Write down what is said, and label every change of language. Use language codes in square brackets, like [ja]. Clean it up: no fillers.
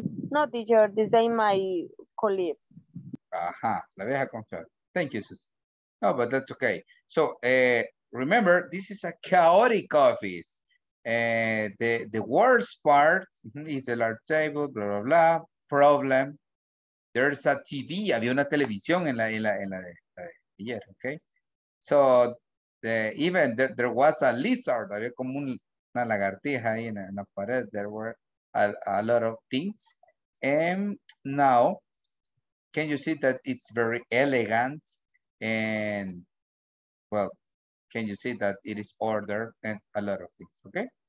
[en] No, teacher, the same my colleagues. [es] Ajá, la vieja confiar. [en] Thank you, Susie. No, but that's okay. So, remember, this is a chaotic office. The worst part is the large table, blah, blah, blah. Problem. There's a TV. [es] Había una televisión en la de ayer, okay? [en] So, there was a lizard. [es] Había como una lagartija ahí en la pared. [en] There were a lot of things. And now, can you see that it's very elegant? And, well, can you see that it is ordered and a lot of things, okay?